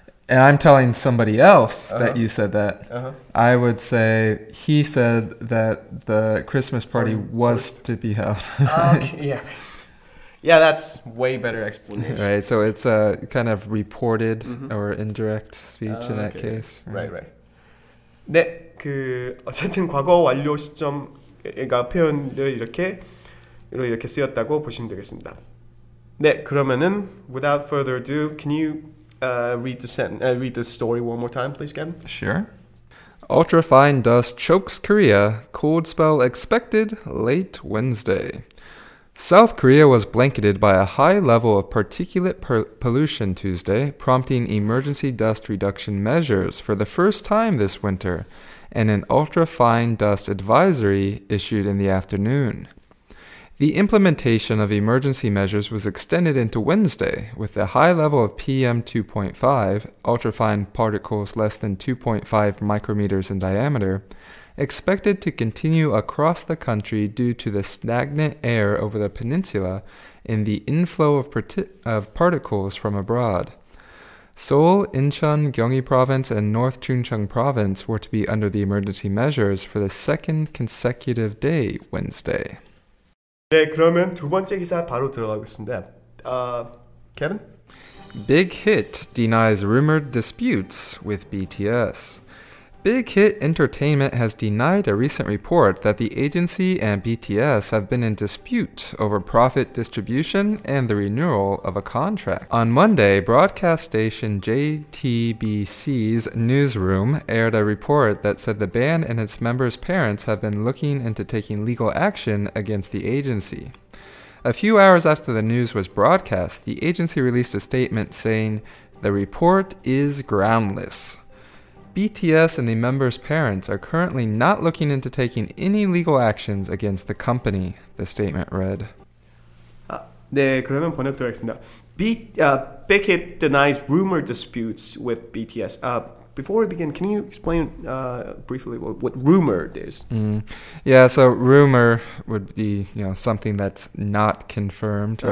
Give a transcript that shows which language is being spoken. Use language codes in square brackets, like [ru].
[en] and I'm telling somebody else uh-huh. that you said that, uh-huh. I would say he said that the Christmas party was to be held. Okay, yeah. Yeah, that's way better explanation. Right, so it's a kind of reported mm-hmm. or indirect speech in that okay. case. Right, right. [ko] 네, 그 어쨌든 과거 완료 시점가 표현을 이렇게 이렇게 쓰였다고 보시면 되겠습니다. 네, 그러면은 [en] without further ado, can you read the sentence, read the story one more time, please, Gavin? Sure. Ultra fine dust chokes Korea. Cold spell expected late Wednesday. South Korea was blanketed by a high level of particulate pollution Tuesday, prompting emergency dust reduction measures for the first time this winter, and an ultra-fine dust advisory issued in the afternoon. The implementation of emergency measures was extended into Wednesday, with a high level of PM2.5, ultra-fine particles less than 2.5 micrometers in diameter, expected to continue across the country due to the stagnant air over the peninsula and the inflow of particles from abroad. Seoul, Incheon, Gyeonggi Province, and North Chungcheong Province were to be under the emergency measures for the second consecutive day Wednesday. [ko] 네, 그러면 두 번째 기사 바로 들어가겠습니다. [en] Kevin? Big Hit denies rumored disputes with BTS. Big Hit Entertainment has denied a recent report that the agency and BTS have been in dispute over profit distribution and the renewal of a contract. On Monday, broadcast station JTBC's newsroom aired a report that said the band and its members' parents have been looking into taking legal action against the agency. A few hours after the news was broadcast, the agency released a statement saying, "The report is groundless. BTS and the members' parents are currently not looking into taking any legal actions against the company," the statement read. [ko] 아, 네, 그러면 번역도 하겠습니다. [en] Big Hit denies rumor disputes with BTS. Before we begin, can you explain briefly what rumor is? Mm. Yeah, so rumor would be, you know, something that's not confirmed, uh-huh.